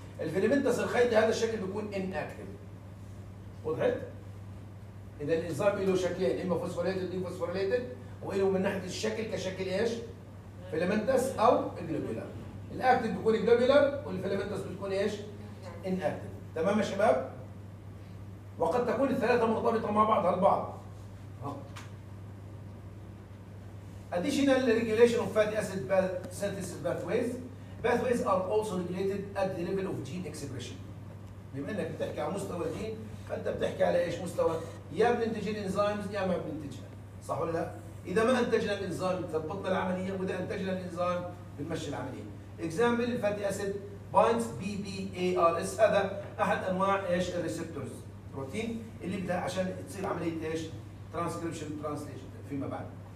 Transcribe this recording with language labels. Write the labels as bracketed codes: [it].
[ar] الفيليمنتس الخيطي هذا الشكل بيكون إناكتيف. وضحت؟ إذا الإنزيم له شكلين إما فوسفوليتد إما فوسفوليتد وإله من ناحية الشكل كشكل إيش؟ فيليمنتس أو جلوبيلر. الأكتيف بيكون جلوبيلر والفيليمنتس بتكون إيش؟ انكتب. تمام يا شباب؟ وقد تكون الثلاثة مرتبطة مع بعضها البعض. [en] Additional regulation of fatty acid synthesis pathways. Pathways are also regulated at the level of gene expression. [ar] بما انك بتحكي على مستوى الجين فانت بتحكي على ايش مستوى؟ يا بننتجين انزيمز يا ما بننتجها. صح ولا لا؟ اذا ما انتجنا الانزيم تضبطنا العملية واذا انتجنا الانزيم بنمشي العملية. [en] Example fatty acid binds BBARS [ar] هذا احد انواع ايش الريسبتورز بروتين اللي بدها عشان تصير عمليه ايش ترانسكريبشن ترانسليشن فيما بعد.